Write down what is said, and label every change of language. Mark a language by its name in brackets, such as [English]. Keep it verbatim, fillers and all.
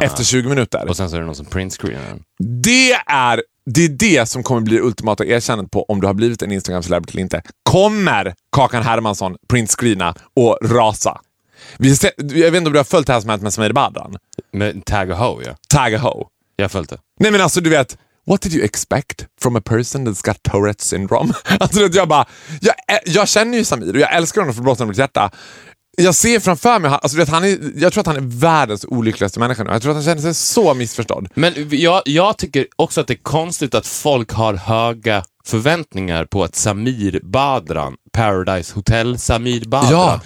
[Swedish] efter tjugo minuter. Och sen så är det någon som printscreenar. Det är, det är det som kommer bli ultimata erkännandet på om du har blivit en Instagram-celebrity eller inte. Kommer Kakan Hermansson printscreena och rasa? Vi ser, jag vet inte om du har följt det här som hänt med Samir Badran. Med Tag och Ho, ja. Tag och Ho. Jag följde. Nej men alltså du vet, [English] what did you expect from a person that's got Tourette's syndrome? [Swedish] Alltså jag bara, jag, jag känner ju Samir och jag älskar honom för botten av mitt hjärta. Jag ser framför mig, alltså du vet, han är, jag tror att han är världens olyckligaste människa nu. Jag tror att han känner sig så missförstådd. Men jag, jag tycker också att det är konstigt att folk har höga förväntningar på att Samir Badran, Paradise Hotel Samir Badran, ja.